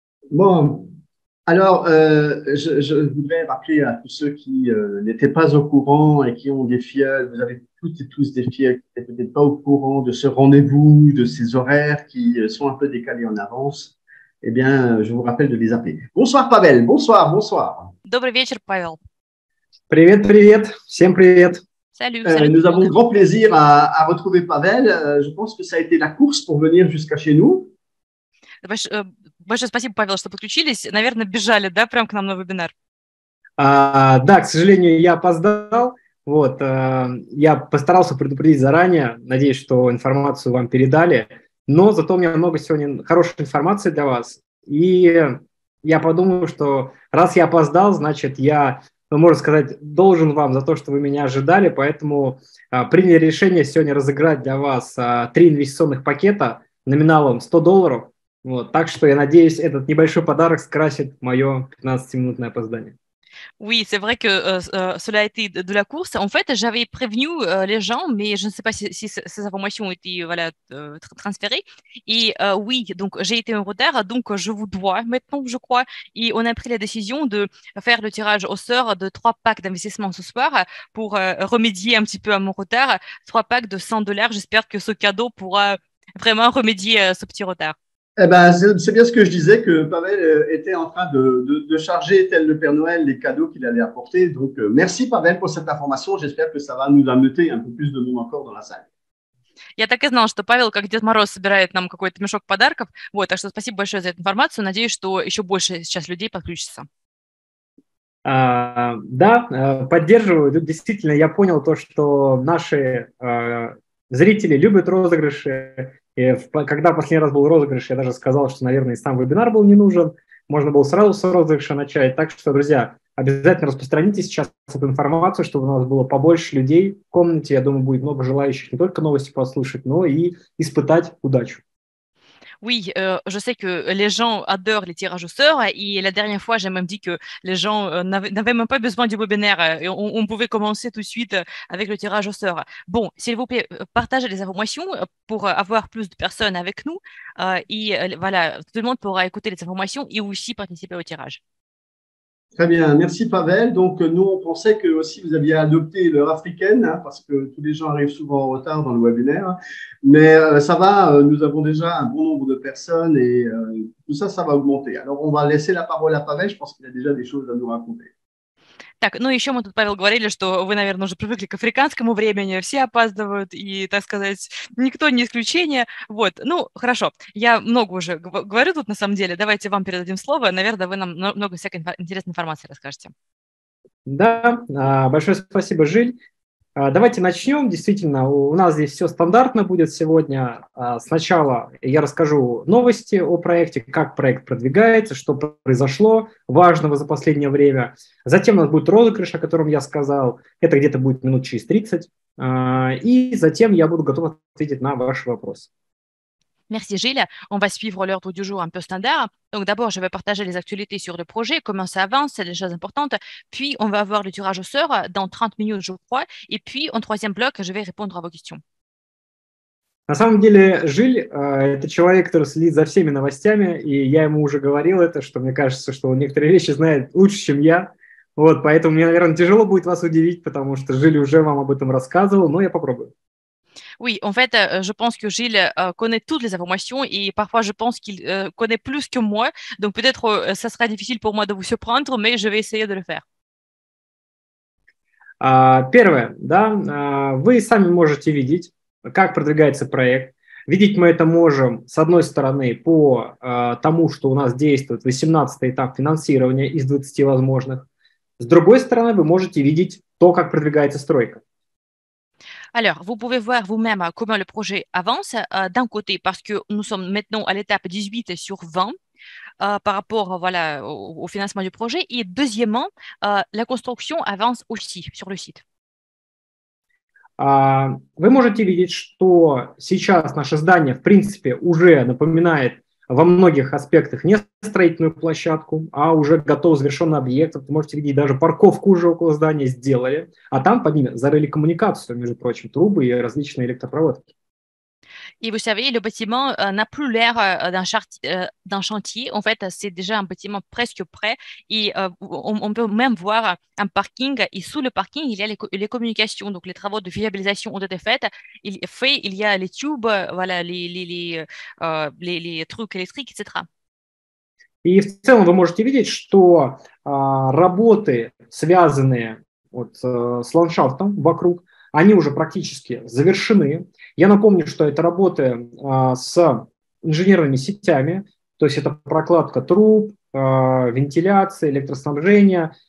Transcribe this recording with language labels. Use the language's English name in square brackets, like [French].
[French] Bon, alors, je voudrais rappeler à tous ceux qui n'étaient pas au courant et qui ont des fioles, vous avez toutes et tous des fioles qui n'étaient peut-être pas au courant de ce rendez-vous, de ces horaires qui sont un peu décalés en avance. Eh bien, je vous rappelle de les appeler. Bonsoir, Pavel. Bonsoir, bonsoir. [Russian] Добрый вечер, Павел. Привет, привет. Всем привет. [French] Salut, salut Нous tout le avons monde. grand plaisir à retrouver Pavel. Je pense que ça a été la course pour venir jusqu'à chez nous. [Russian] Большое спасибо, Павел, что подключились. Наверное, бежали, да, прямо к нам на вебинар. Да, к сожалению, я опоздал. Вот, я постарался предупредить заранее. Надеюсь, что информацию вам передали. Но зато у меня много сегодня хорошей информации для вас. И я подумал, что раз я опоздал, значит, я, ну, можно сказать, должен вам за то, что вы меня ожидали. Поэтому приняли решение сегодня разыграть для вас 3 инвестиционных пакета номиналом 100 долларов. Вот, так что я надеюсь, этот небольшой подарок скрасит мое 15-минутное опоздание. [French] Oui, c'est vrai que cela a été de la course. En fait, j'avais prévenu les gens, mais je ne sais pas si ces informations ont été voilà, transférées. Et oui, donc j'ai été en retard, donc je vous dois maintenant, je crois. Et on a pris la décision de faire le tirage au sort de 3 packs d'investissement ce soir pour remédier un petit peu à mon retard. 3 packs de 100 dollars. J'espère que ce cadeau pourra vraiment remédier à ce petit retard. Eh ben, c'est bien ce que je disais, que Pavel était en train de charger, tel le Père Noël, les cadeaux qu'il allait apporter. Donc, merci Pavel pour cette information. J'espère que ça va nous ameuter un peu plus de monde encore dans la salle. [Russian] Я так и знал, что Павел, как Дед Мороз, собирает нам какой-то мешок подарков. Вот, так что спасибо большое за эту информацию. Надеюсь, что еще больше сейчас людей подключится. Да, поддерживаю. Действительно, я понял то, что наши зрители любят розыгрыши. И когда последний раз был розыгрыш, я даже сказал, что, наверное, и сам вебинар был не нужен. Можно было сразу с розыгрыша начать. Так что, друзья, Обязательно распространите сейчас эту информацию, чтобы у нас было побольше людей в комнате. Я думаю, будет много желающих не только новости послушать, но и испытать удачу. [French] Oui, je sais que les gens adorent les tirages au sort et la dernière fois, j'ai même dit que les gens n'avaient même pas besoin du webinaire et on pouvait commencer tout de suite avec le tirage au sort. Bon, s'il vous plaît, partagez les informations pour avoir plus de personnes avec nous et voilà, tout le monde pourra écouter les informations et aussi participer au tirage. Très bien, merci Pavel. Donc nous, on pensait que aussi vous aviez adopté l'heure africaine, hein, parce que tous les gens arrivent souvent en retard dans le webinaire. Mais ça va, nous avons déjà un bon nombre de personnes et tout ça, ça va augmenter. Alors on va laisser la parole à Pavel, je pense qu'il a déjà des choses à nous raconter. [Russian] Так, ну еще мы тут, Павел, говорили, что вы, наверное, уже привыкли к африканскому времени, все опаздывают, и, так сказать, никто не исключение. Вот, ну, хорошо, я много уже говорю тут, на самом деле, давайте вам передадим слово, наверное, вы нам много всякой интересной информации расскажете. Да, большое спасибо, Жиль. Давайте начнем, действительно, у нас здесь все стандартно будет сегодня. Сначала я расскажу новости о проекте, как проект продвигается, что произошло важного за последнее время. Затем у нас будет розыгрыш, о котором я сказал. Это где-то будет минут через 30. И затем я буду готов ответить на ваши вопросы. [French] Merci Gilles, on va suivre l'ordre du jour un peu standard. Donc d'abord, je vais partager les actualités sur le projet, comment ça avance, les choses importantes. Puis, on va avoir le tirage au sort dans 30 minutes, je crois. Et puis, en troisième bloc, je vais répondre à vos questions. [Russian] На самом деле, Жиль, это человек, который следит за всеми новостями, и я ему уже говорил это, что мне кажется, что он некоторые вещи знает лучше, чем я. Вот, поэтому мне, наверное, тяжело будет вас удивить, потому что Жиль уже вам об этом рассказывал, но я попробую. [French] Oui, en fait, je pense que Gilles connaît toutes les informations et parfois je pense qu'il connaît plus que moi. Donc peut-être ça sera difficile pour moi de vous surprendre, mais je vais essayer de le faire. [Russian] Первое, да, вы сами можете видеть, как продвигается проект. Видеть мы это можем, с одной стороны, по тому, что у нас действует 18-й этап финансирования из 20 возможных. С другой стороны, вы можете видеть то, как продвигается стройка. [French] Alors, vous pouvez voir vous-même comment le projet avance d'un côté, parce que nous sommes maintenant à l'étape 18 sur 20 par rapport voilà, au financement du projet. Et deuxièmement, la construction avance aussi sur le site. [Russian] Вы можете видеть, что сейчас наше здание, в принципе, уже напоминает во многих аспектах не строительную площадку, а уже готов завершенный объект. Вы можете видеть, даже парковку уже около здания сделали, а там под ними зарыли коммуникацию, между прочим, трубы и различные электропроводки. И вы знаете, [French] le bâtiment n'a plus l'air d'un chantier. En fait, c'est déjà un bâtiment presque prêt. И on peut même voir un parking. И sous le parking, il y a les communications. Donc, les travaux de viabilisation ont été faits. Il y a les tubes, voilà, les trucs électriques, etc. [Russian] И в целом вы можете видеть, что работы, связанные вот, с ландшафтом вокруг, они уже практически завершены. Я напомню, что это работы с инженерными сетями, то есть это прокладка труб, вентиляция, электроснабжение.